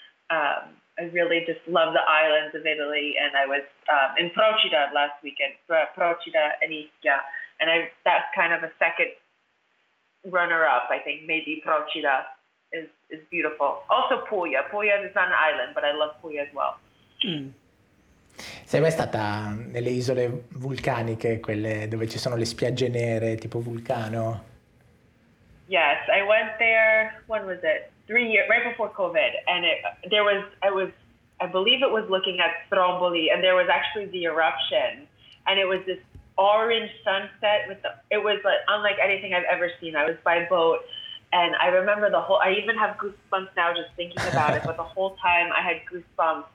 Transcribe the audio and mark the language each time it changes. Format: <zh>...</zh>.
<en>I really just love the islands of Italy, and I was in Procida last weekend, Procida and Ischia, and that's kind of a second runner-up, I think, maybe Procida is beautiful. Also Puglia. Puglia is an island, but I love Puglia as well. Mm.</en> <it>Sei mai stata nelle isole vulcaniche, quelle dove ci sono le spiagge nere, tipo Vulcano?</it> <en>Yes, I went there, when was it? 3 years, right before COVID. And I believe it was looking at Stromboli, and there was actually the eruption. And it was this orange sunset it was like unlike anything I've ever seen. I was by boat, and I remember I even have goosebumps now just thinking about it, but the whole time I had goosebumps.</en>